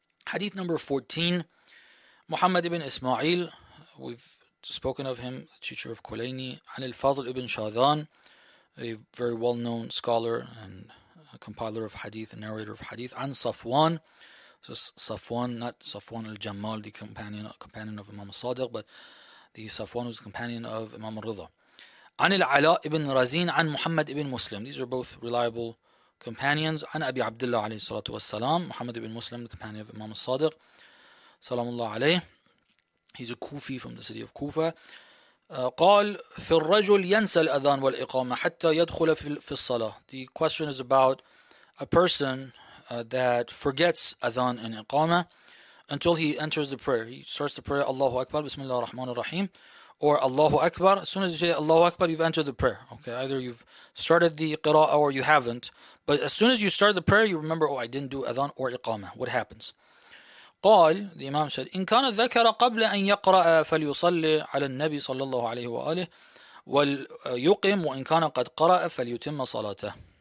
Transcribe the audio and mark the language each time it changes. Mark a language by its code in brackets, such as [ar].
[en] Hadith number 14, Muhammad ibn Ismail, we've spoken of him, the teacher of Kulayni, Anil Fadl ibn Shadhan, a very well-known scholar and a compiler of hadith, a narrator of hadith, An Safwan, so Safwan, not Safwan al-Jamal, the companion of Imam al-Sadiq, but the Safwan was the companion of Imam al-Ridha. An al-Ala ibn Razin, An Muhammad ibn Muslim. These are both reliable companions. An Abi Abdullah alayhi salatu wassalam, Muhammad ibn Muslim, the companion of Imam al-Sadiq, salamullah alayhi. He's a Kufi from the city of Kufa. [ar] قال في الرجل ينسى الأذان والإقامة حتى يدخل في الصلاة. [en] The question is about a person that forgets adhan and iqama until he enters the prayer. He starts the prayer, Allahu Akbar, Bismillah ar-Rahman ar-Rahim, or Allahu Akbar. As soon as you say Allahu Akbar, you've entered the prayer. Okay, either you've started the qira'ah or you haven't. But as soon as you start the prayer, you remember, oh, I didn't do adhan or iqama. What happens? [ar] قال [en] the Imam said [ar] إن كان ذكر قبل أن يقرأ فليصلي على النبي صلى الله عليه وآله وليقم وإن كان قد قرأ فليتم صلاته.